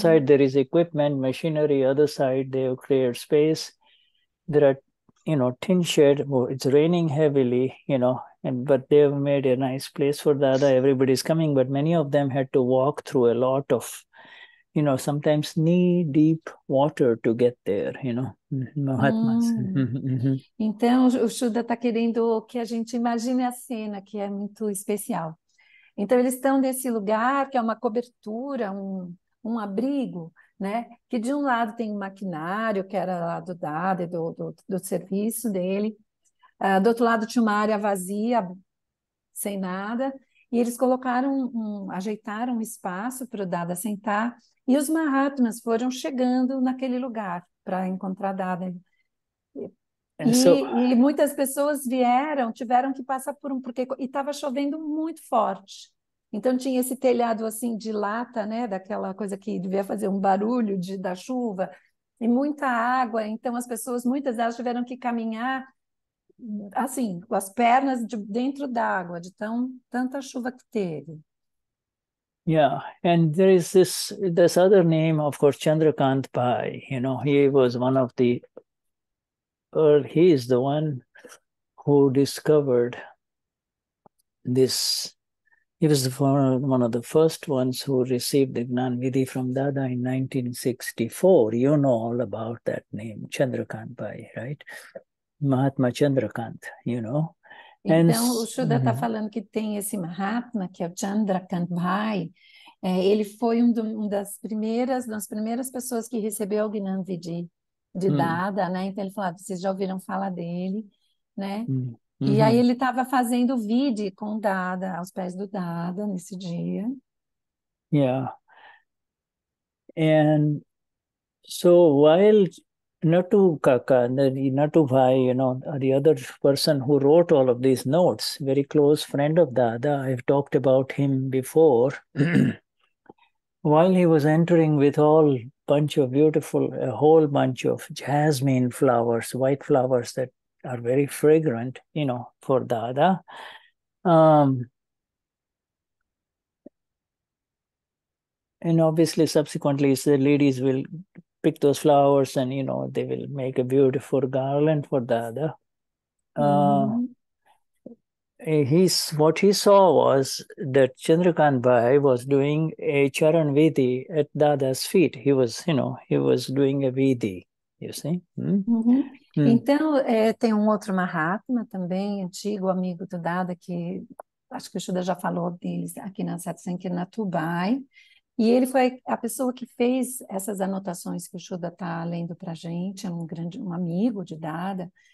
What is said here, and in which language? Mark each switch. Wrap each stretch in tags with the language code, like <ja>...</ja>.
<en>side there is equipment, machinery, other side they have cleared space, there are, you know, tin shed, it's raining heavily, you know, and but they have made a nice place for the other, everybody's coming, but many of them had to walk through a lot of, you know, sometimes knee-deep water to get there, you know. Mahatmas.</en> <pt>Então, o Shuddha está querendo que a gente imagine a cena, que é muito especial. Então, eles estão nesse lugar, que é uma cobertura, um abrigo, né? Que de um lado tem um maquinário, que era lá do Dada, do serviço dele. Do outro lado tinha uma área vazia, sem nada. E eles colocaram, ajeitaram um espaço para o Dada sentar. E os Mahatmas foram chegando naquele lugar para encontrar Dada. E muitas pessoas vieram, tiveram que passar por um, porque estava chovendo muito forte. Então tinha esse telhado assim de lata, né? Daquela coisa que devia fazer um barulho da chuva, e muita água. Então as pessoas, muitas delas tiveram que caminhar assim, com as pernas dentro d'água, de tanta chuva que teve.</pt> <en>Yeah, and there is this other name, of course, Chandrakant Pai, you know, he was one of the, or he is the one who discovered this, he was one of the first ones who received the Gnan Vidhi from Dada in 1964. You know all about that name, Chandrakant Pai, right? Mahatma Chandrakant, you know.</en> <pt>Então, o Shuddha está falando que tem esse Mahatma, que é o Chandrakant Bhai. É, ele foi uma das primeiras pessoas que recebeu o Gnan Vidhi de Dada, né? Então, ele falou, vocês já ouviram falar dele, né? E aí ele estava fazendo Vidhi com Dada, aos pés do Dada, nesse dia.</pt> <en>Yeah. And so, while Natu Kaka, Natu Bhai, you know, the other person who wrote all of these notes, very close friend of Dada, I've talked about him before. While he was entering with all bunch of beautiful, a whole bunch of jasmine flowers, white flowers that are very fragrant, you know, for Dada. And obviously, subsequently, the ladies will pick those flowers and, you know, they will make a beautiful garland for Dada. What he saw was that Chandrakant Bhai was doing a Charan Vidhi at Dada's feet. He was, you know, he was doing a Vidhi, you see?</en> <pt>Então, tem outro Mahatma também, antigo amigo do Dada, que acho que o Shuddha já falou deles aqui na Satsang, na Tubai. E ele foi a pessoa que fez essas anotações que o Shuddha está lendo para a gente, é um grande, um amigo de Dada.</pt>